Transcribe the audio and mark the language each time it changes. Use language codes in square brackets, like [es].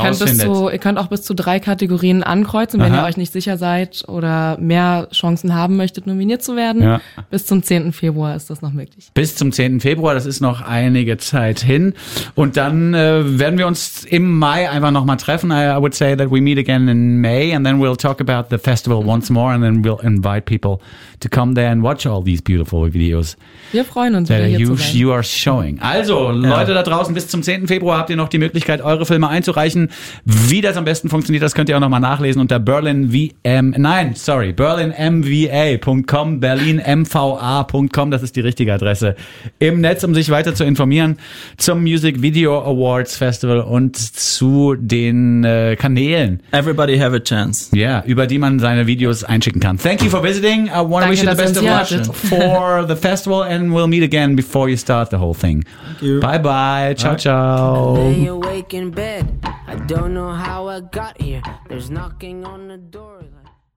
[de] rausfindet. Ihr könnt auch bis zu 3 Kategorien ankreuzen, wenn aha. ihr euch nicht sicher seid oder mehr Chancen haben möchtet, nominiert zu werden. Ja. Bis zum 10. Februar ist das noch möglich. Bis zum 10. Februar, das ist noch einige Zeit hin. Und dann werden wir uns im Mai einfach nochmal treffen. [en] I would say that we meet again in May and then we'll talk about the festival once more and then we'll invite people to come there and watch all these beautiful videos. [de] Wir freuen uns, [en] that [de] wieder hier you you are showing. Also, ja. Leute da draußen, bis zum 10. Februar habt ihr noch die Möglichkeit, eure Filme einzureichen. Wie das am besten funktioniert, das könnt ihr auch nochmal nachlesen unter berlinmva.com, das ist die richtige Adresse im Netz, um sich weiter zu informieren zum Music Video Awards Festival und zu den Kanälen. [en] Everybody have a chance. [de] Ja, yeah, über die man seine Videos einschicken kann. [en] Thank you for visiting. I want to wish you the best of luck for the festival and we'll meet again before you start the whole thing. Bye bye. Ciao, right. Ciao. I lay awake in bed. I don't know how I got here. There's knocking on the door.